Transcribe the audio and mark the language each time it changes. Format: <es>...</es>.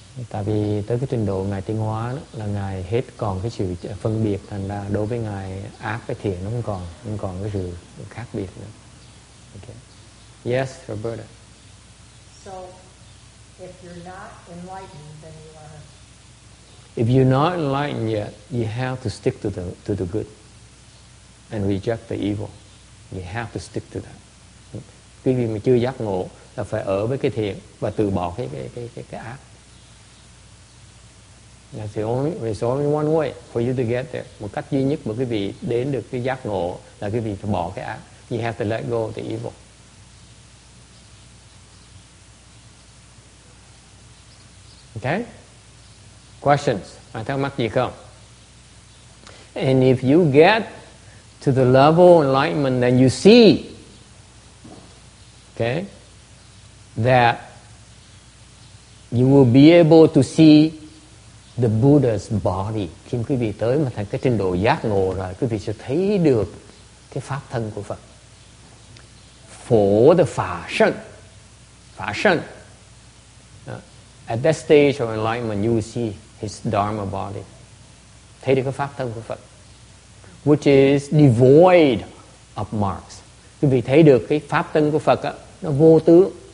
<vi>Tại vì tới cái trình độ Ngài Tiến Hóa đó, là Ngài hết còn cái sự phân biệt, thành ra đối với Ngài ác cái thiện nó không còn cái sự khác biệt nữa.</vi> <en>Okay. Yes, Roberta. So, if you're not enlightened, then you are... If you're not enlightened yet, you have to stick to the good. And reject the evil. You have to stick to that.</en> <vi>Quý vị mà chưa giác ngộ là phải ở với cái thiện và từ bỏ cái ác.</vi> <en>That's the only one way for you to get there.</en> <vi>Một cách duy nhất mà quý vị đến được cái giác ngộ là quý vị phải bỏ cái ác.</vi> <en>You have to let go of the evil. Okay? Questions?</en> <vi>Ai thắc mắc gì không?</vi> <en>And if you get to the level of enlightenment, then you see, okay, that you will be able to see the Buddha's body.</en> <vi>Khi quý vị tới mà thành cái trình độ giác ngộ rồi, quý vị sẽ thấy được cái pháp thân của Phật. Phổ the Pha Sân.</vi> <en>At that stage of enlightenment, you will see his Dharma body.</en> <vi>Thấy được cái pháp thân của Phật.</vi> <en>Which is devoid of marks.</en> <vi>Quý vị thấy được cái pháp tân của Phật á, nó vô tướng.</vi>